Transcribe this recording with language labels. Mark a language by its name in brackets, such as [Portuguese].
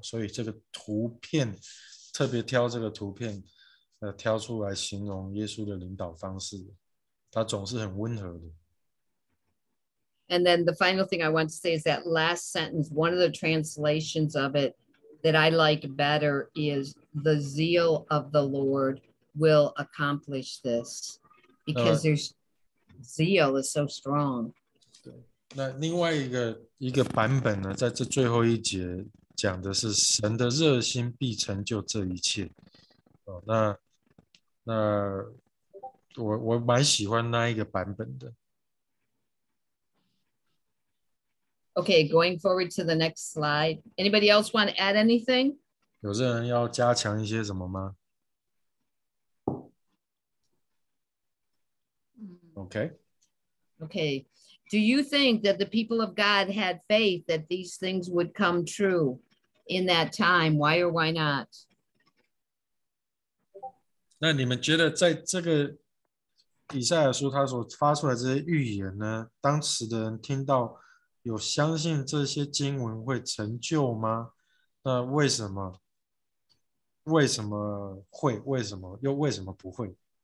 [Chinese] 所以这个图片特别挑这个图片挑出来形容耶稣的领导方式，他总是很温和的。 [English] And then the final thing I want to say is that last sentence, one of the translations of it that I like better is the zeal of the Lord will accomplish this, because there'sZeal is so strong. [Chinese] 对，那另外一个版本呢，在这最后一节讲的是神的热心必成就这一切。哦，那我蛮喜欢那一个版本的。 [English] Okay, going forward to the next slide. Anybody else want to add anything? [Chinese] 有些人要加强一些什么吗？ [English] Okay. Do you think that the people of God had faith that these things would come true in that time? Why or why not? [Chinese] 那你们觉得在这个以赛亚书他所发出来这些预言呢，当时的人听到有相信这些经文会成就吗？那为什么？为什么会，为什么，又为什么不会。